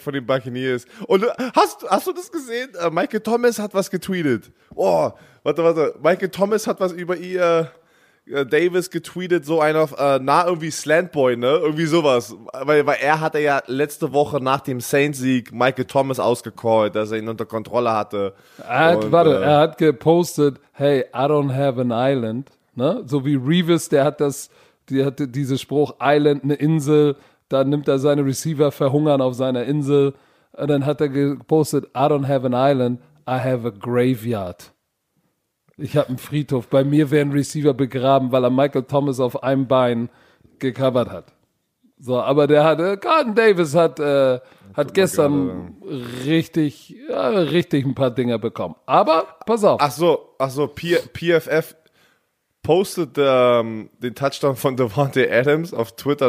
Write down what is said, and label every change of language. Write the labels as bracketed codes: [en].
[de] von den Buccaneers. Und hast du das gesehen? Michael Thomas hat was getweetet. Oh, warte. Michael Thomas hat was über ihr Davis getweetet, so einer, irgendwie Slantboy, ne? Irgendwie sowas. Weil er hatte ja letzte Woche nach dem Saints-Sieg Michael Thomas ausgecallt, dass er ihn unter Kontrolle hatte. Er hat gepostet, [en] hey, I don't have an island. [de] Ne? So wie Revis, der hatte diesen Spruch, Island, eine Insel. Da nimmt er seine Receiver, verhungern auf seiner Insel. Und dann hat er gepostet, [en] I don't have an island, I have a graveyard. [de] Ich habe einen Friedhof. Bei mir werden Receiver begraben, weil er Michael Thomas auf einem Bein gecovert hat. So, aber der hatte, Carlton Davis hat, hat gestern richtig, ja, richtig ein paar Dinger bekommen. Aber, pass auf. Ach so, PFF postet den Touchdown von Davante Adams auf Twitter.